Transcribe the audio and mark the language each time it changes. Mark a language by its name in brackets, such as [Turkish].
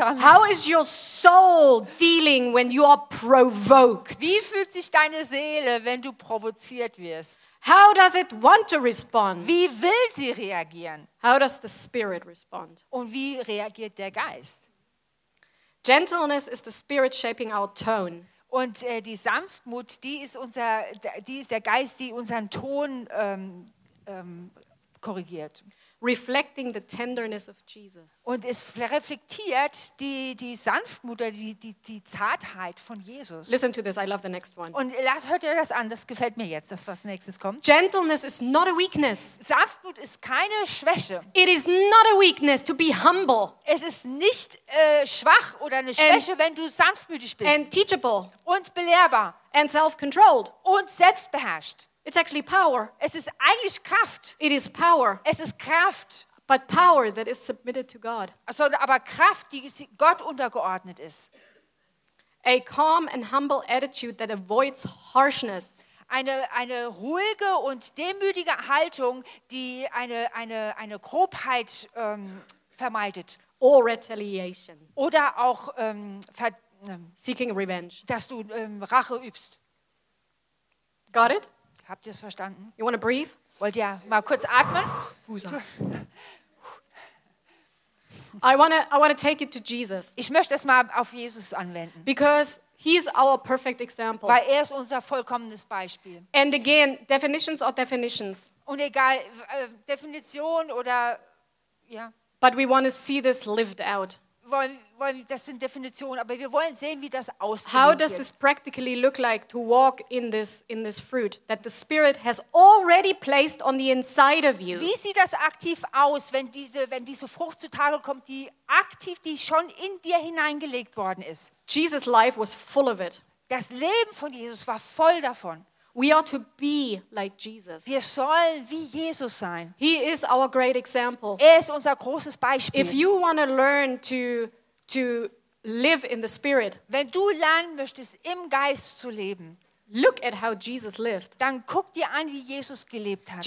[English] How is your soul dealing when you are provoked? [German] Wie fühlt sich deine Seele, wenn du provoziert wirst? [English] How does it want to respond? [German] Wie will sie reagieren? [English] How does the spirit respond? [German] Und wie reagiert der Geist? [English] Gentleness is the spirit shaping our tone. [German] Und die Sanftmut, die ist der Geist, die unseren Ton korrigiert. [English] Reflecting the tenderness of Jesus. [German] Und es reflektiert die Sanftmut oder die Zartheit von Jesus. [English] Listen to this, I love the next one. [German] Und hört ihr das an, das gefällt mir jetzt, das was nächstes kommt. [English] Gentleness is not a weakness. [German] Sanftmut ist keine Schwäche. [English] It is not a weakness to be humble. [German] Es ist nicht schwach oder eine Schwäche, wenn du sanftmütig bist. [English] And teachable. [German] Und belehrbar. [English] And self-controlled. [German] Und selbstbeherrscht. [English] It's actually power. [German] Es ist eigentlich Kraft. [English] It is power. [German] Es ist Kraft. [English] But power that is submitted to God. [German] Also, aber Kraft, die Gott untergeordnet ist. [English] A calm and humble attitude that avoids harshness. [German] Eine ruhige und demütige Haltung, die eine Grobheit vermeidet. [English] Or retaliation. [German] Oder auch [English] seeking revenge. [German] Dass du Rache übst. [English] Got it? [German] Habt ihr es verstanden? [English] You want to breathe? [German] Wollt ihr mal kurz atmen? [English] I want to take it to Jesus. [German] Ich möchte es mal auf Jesus anwenden. [English] Because he is our perfect example. [German] Weil ist unser vollkommenes Beispiel. [English] And again, definitions are definitions. [German] Und egal Definition oder ja. [English] But we want to see this lived out. [German] Das sind Definitionen, aber wir wollen sehen, wie das ausgeht. [English] How does this practically look like to walk in this fruit that the Spirit has already placed on the inside of you? [German] Wie sieht das aktiv aus, wenn diese Frucht zutage kommt, die schon in dir hineingelegt worden ist? [English] Jesus' life was full of it. [German] Das Leben von Jesus war voll davon. [English] We are to be like Jesus. [German] Wir sollen wie Jesus sein. [English] He is our great example. [German] Ist unser großes Beispiel. [English] If you want to learn to live in the Spirit, [German] wenn du lernen möchtest, im Geist zu leben, [English] look at how Jesus lived. [German] Dann guck dir an, wie Jesus gelebt hat.